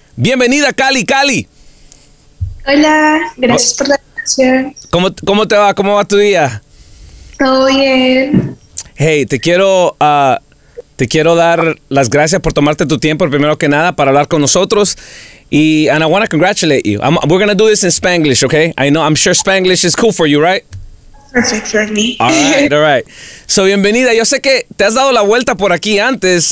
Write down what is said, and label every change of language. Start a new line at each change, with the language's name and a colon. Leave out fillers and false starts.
Spanish: Bienvenida, Cali, Cali. Hola, gracias por la invitación. ¿Cómo te va? ¿Cómo va tu día? Todo bien. Hey, te quiero dar las gracias por tomarte tu tiempo, primero que nada, para hablar con nosotros.
English: And I want to congratulate you. We're going to do this in Spanglish, okay? I'm sure Spanglish is cool for you, right? Perfect for me. All right. So, bienvenida.
Spanish: Yo sé que te has dado la vuelta por aquí antes.